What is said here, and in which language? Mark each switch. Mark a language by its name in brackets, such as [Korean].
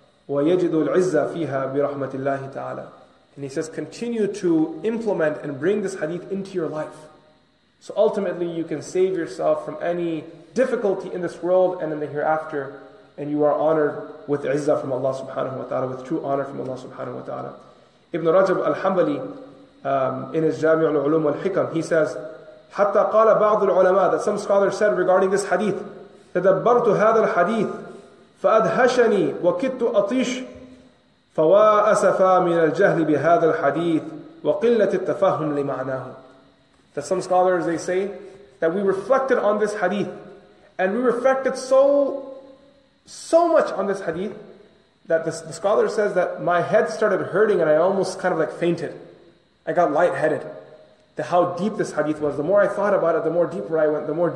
[Arabic] وَيَجِدُ الْعِزَّةَ فِيهَا بِرَحْمَةِ اللَّهِ تَعَالَى. [English] And he says, continue to implement and bring this hadith into your life. So ultimately you can save yourself from any difficulty in this world and in the hereafter, and you are honored with izzah from Allah subhanahu wa ta'ala, with true honor from Allah subhanahu wa ta'ala. Ibn Rajab al-Hanbali, in his Jami' al-Ulum wal-Hikam, he says, [Arabic] حَتَّى قَالَ بَعْضُ الْعُلَمَاءِ, [English] that some scholars said regarding this hadith, [Arabic] تَدَبَّرْتُ هَذَا الْحَدِيثِ فَأَدْهَشَنِي وَكِدْتُ أَطِيشُ فَوَأَسَفَا مِنَ الْجَهْلِ بِهَذَا الْحَدِيثِ وَقِلَّةِ التَّفَهُمْ لِمَعْنَاهُ. [English] That some scholars, they say, that we reflected on this hadith, and we reflected so much on this hadith, that the scholar says that my head started hurting and I almost kind of like fainted. I got lightheaded to how deep this hadith was. The more I thought about it, the more deeper I went.